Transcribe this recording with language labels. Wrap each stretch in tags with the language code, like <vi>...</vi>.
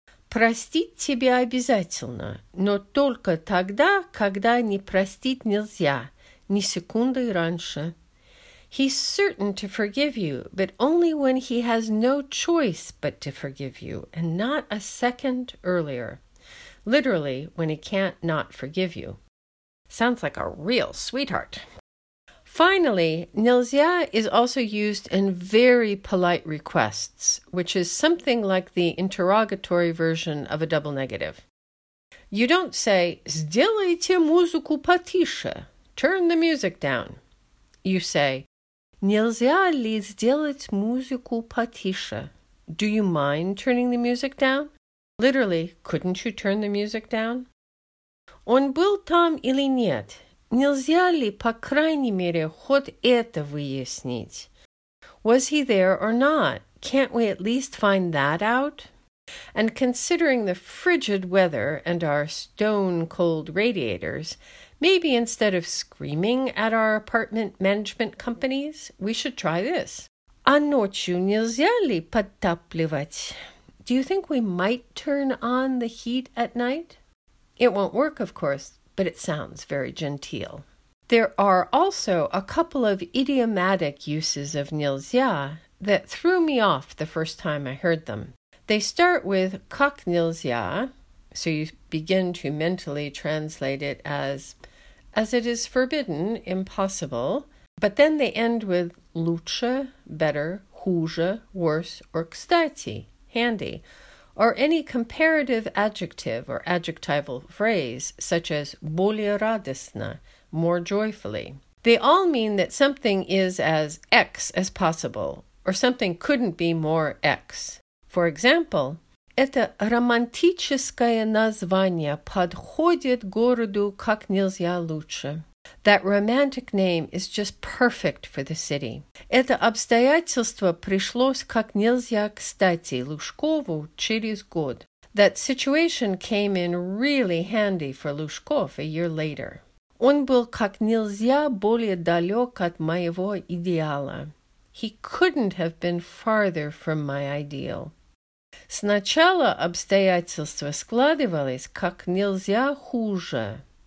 <ru>Простить тебя обязательно, но только тогда, когда не простить нельзя, ни секунды раньше.</ru> <en>He's certain to forgive you, but only when he has no choice but to forgive you, and not a second earlier. Literally, when he can't not forgive you. Sounds like a real sweetheart. Finally, нельзя is also used in very polite requests, which is something like the interrogatory version of a double negative. You don't say,</en> <ru>сделайте музыку потише,</ru> <en>turn the music down. You say,</en> <ru>нельзя ли сделать музыку потише?</ru> <en>Do you mind turning the music down? Literally, couldn't you turn the music down?</en> <ru>Он был там или нет? Нельзя ли, по крайней мере, хоть это выяснить?</ru> <en>Was he there or not? Can't we at least find that out? And considering the frigid weather and our stone-cold radiators, maybe instead of screaming at our apartment management companies, we should try this.</en> <ru>А ночью нельзя ли подтапливать?</ru> <en>Do you think we might turn on the heat at night? It won't work, of course, but it sounds very genteel. There are also a couple of idiomatic uses of нельзя that threw me off the first time I heard them. They start with как нельзя, so you begin to mentally translate it as it is forbidden, impossible, but then they end with лучше, better, хуже, worse, or кстати. Handy, or any comparative adjective or adjectival phrase, such as</en> <ru>более радостно,</ru> <en>more joyfully. They all mean that something is as X as possible, or something couldn't be more X. For example,</en> <ru>это романтическое название подходит городу как нельзя лучше.</ru> <en>That romantic name is just perfect for the city.</en> <ru>Это обстоятельство пришлось как нельзя кстати Лужкову через год.</ru> <en>That situation came in really handy for Лужков a year later.</en> <ru>Он был как нельзя более далек от моего идеала.</ru> <en>He couldn't have been farther from my ideal.</en> <ru>Сначала обстоятельства складывались как нельзя хуже.</ru>